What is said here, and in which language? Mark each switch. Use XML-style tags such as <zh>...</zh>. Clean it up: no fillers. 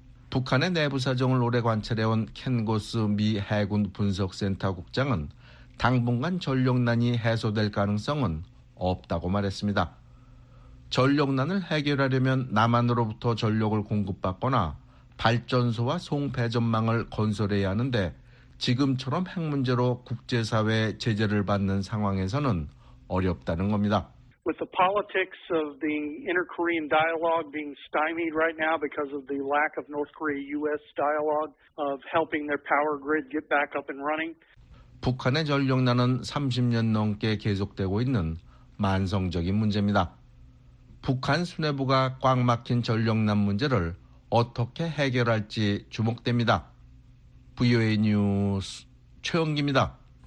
<ko>북한의 내부 사정을 오래 관찰해온 켄고스 미 해군 분석센터 국장은 당분간 전력난이 해소될 가능성은 없다고 말했습니다. 전력난을 해결하려면 남한으로부터 전력을 공급받거나 발전소와 송배전망을 건설해야 하는데 지금처럼 핵 문제로 국제사회의 제재를 받는 상황에서는 어렵다는 겁니다.</ko> <en>With the politics of the inter-Korean dialogue being stymied right now because of the lack of North Korea-U.S. dialogue of helping their power grid get back up and running.</en> <ko>북한의 전력난은 30년 넘게 계속되고 있는 만성적인 문제입니다. 북한 수뇌부가 꽉 막힌 전력난 문제를 어떻게 해결할지 주목됩니다. VOA 뉴스 최영기입니다.</ko>